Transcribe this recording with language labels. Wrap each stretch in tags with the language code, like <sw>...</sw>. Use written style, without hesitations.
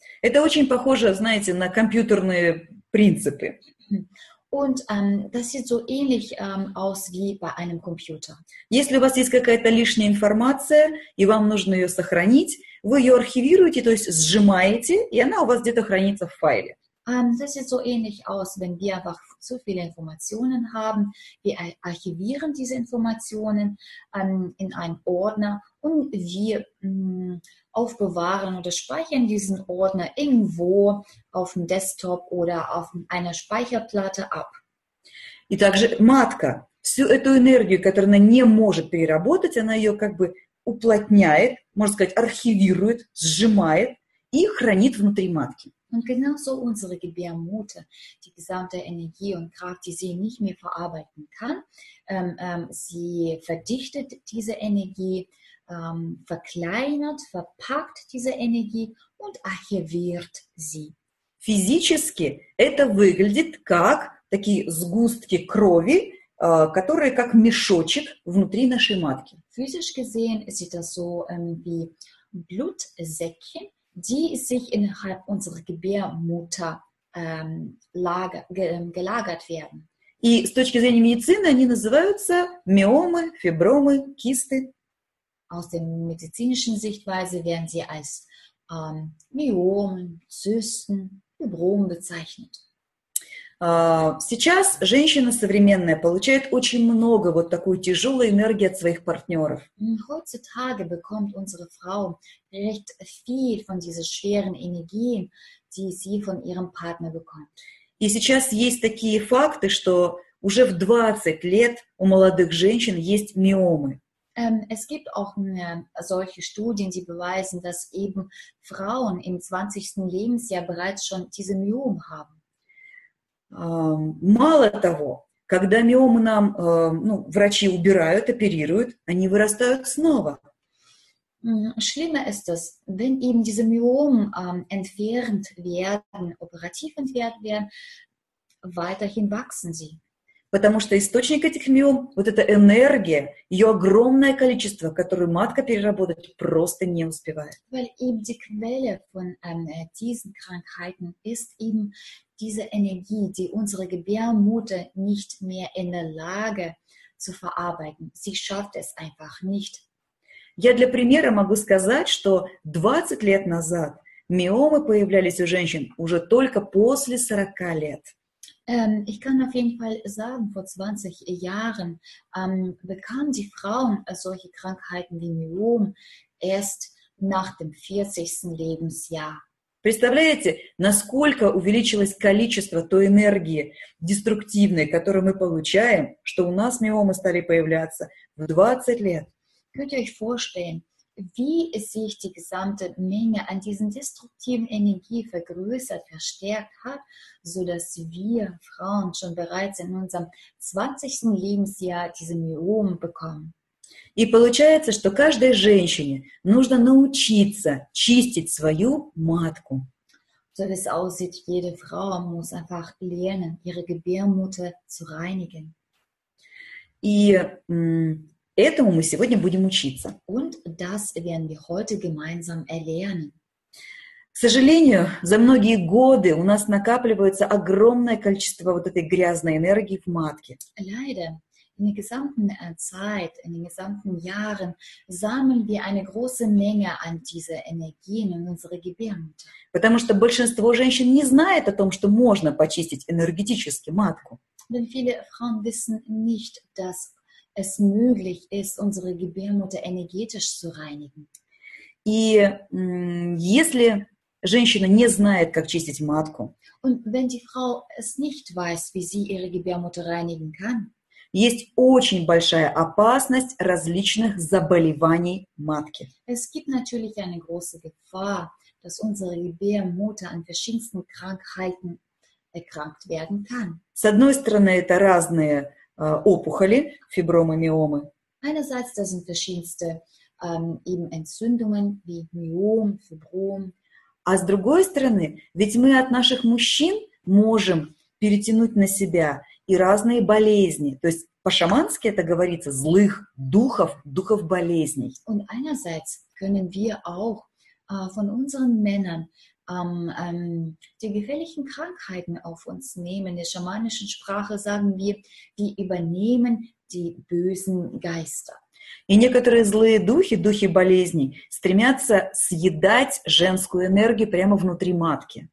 <ru>Это очень похоже, знаете, на компьютерные принципы.</ru> <de>Und das sieht so ähnlich aus wie bei einem Computer.</de> <ru>Если у вас есть какая-то лишняя информация, и вам нужно ее сохранить, вы ее архивируете, то есть сжимаете, и она у вас где-то хранится в файле.</ru> <de>Das sieht so ähnlich aus, wenn wir einfach zu viele Informationen haben. Wir archivieren diese Informationen in einen Ordner und wir aufbewahren oder speichern diesen Ordner irgendwo auf dem Desktop oder auf einer Speicherplatte ab.</de> <ru>И также матка всю эту энергию, которую она не может переработать, она ее как бы уплотняет, можно сказать, архивирует, сжимает и хранит внутри матки.</ru> <de>Und genauso unsere Gebärmutter, die gesamte Energie und Kraft, die sie nicht mehr verarbeiten kann, sie verdichtet diese Energie, verkleinert, verpackt diese Energie und archiviert sie.</de> <ru>Физически это выглядит как такие сгустки крови, которые как мешочек внутри нашей матки.</ru> <de>Physisch gesehen sieht das so wie Blutsäckchen, die sich innerhalb unserer Gebärmutter gelagert werden.</de> <ru>И с точки зрения медицины они называются миомы, фибромы, кисты.</ru> <de>Aus der medizinischen Sichtweise werden sie als Myomen, Zysten, Fibromen bezeichnet.</de> <ru>Сейчас женщина современная получает очень много вот такой тяжелой энергии от своих партнеров.</ru> <de>Heutzutage bekommt unsere Frau recht viel von dieser schweren Energie, die sie von ihrem Partner bekommt.</de> <ru>И сейчас есть такие факты, что уже в 20 лет у молодых женщин есть миомы.</ru> <de>Es gibt auch solche Studien, die beweisen, dass eben Frauen im 20. Lebensjahr bereits schon diese Myome haben.</de> <ru>Мало того, когда миомы нам, врачи убирают, оперируют, они вырастают снова.</ru> <de>Schlimmer ist es, wenn eben diese Myomen entfernt werden, operativ entfernt werden, weiterhin wachsen sie.</de> <ru>Потому что источник этих миом, вот эта энергия, ее огромное количество, которое матка переработать просто не успевает.</ru> <de>Weil eben die Quelle von diesen Krankheiten ist eben diese Energie, die unsere Gebärmutter nicht mehr in der Lage zu verarbeiten. Sie schafft es einfach nicht.</de> <ru>Я для примера могу сказать, что 20 лет назад миомы появлялись у женщин уже только после 40 лет.</ru> <de>Ich kann auf jeden Fall sagen, vor 20 Jahren bekamen die Frauen solche Krankheiten wie Myom erst nach dem 40. Lebensjahr.</de> <ru>Представляете, насколько увеличилось количество той энергии деструктивной, которую мы получаем, что у нас миомы стали появляться в 20 лет?</ru> <de>Könnt ihr euch vorstellen, wie sich die gesamte Menge an diesen destruktiven Energie vergrößert, verstärkt hat, sodass wir Frauen schon bereits in unserem 20. Lebensjahr diese Myomen bekommen.</de> <ru>И получается, что каждой женщине нужно научиться чистить свою матку.</ru> <de>So wie es aussieht, jede Frau muss einfach lernen, ihre Gebärmutter zu reinigen.</de> <ru>И этому мы сегодня будем учиться.</ru> <de>Und das werden wir heute gemeinsam erlernen.</de> <ru>К сожалению, за многие годы у нас накапливается огромное количество вот этой грязной энергии в матке.</ru> <de>Leider, in der gesamten Zeit, in den gesamten Jahren sammeln wir eine große Menge an dieser Energie in unsere Gebärmutter.</de> <ru>Потому что большинство женщин не знает о том, что можно почистить энергетически матку.</ru> <de>Denn viele Frauen wissen nicht, dass es möglich ist, unsere Gebärmutter energetisch zu reinigen.</de> <ru>И если женщина не знает, как чистить матку,</ru> <de>und wenn die Frau es nicht weiß, wie sie ihre Gebärmutter reinigen kann,</de> <ru>есть очень большая опасность различных заболеваний матки.</ru> <de>Es gibt natürlich eine große Gefahr, dass unsere Gebärmutter an verschiedensten Krankheiten erkrankt werden kann.</de> <ru>С одной стороны, это разные опухоли, фибромы, миомы.</ru> <de>Einerseits, das sind verschiedenste eben Entzündungen wie Myom, Fibrom.</de> <ru>А с другой стороны, ведь мы от наших мужчин можем перетянуть на себя и разные болезни. То есть по-шамански это говорится, злых духов, духов болезней.</ru> <de>Und einerseits können wir auch von unseren Männern die gefährlichen Krankheiten auf uns nehmen. In der schamanischen Sprache sagen wir, die übernehmen die bösen Geister.</de> <ru>И некоторые злые духи, духи болезней, стремятся съедать женскую энергию прямо внутри матки.</ru>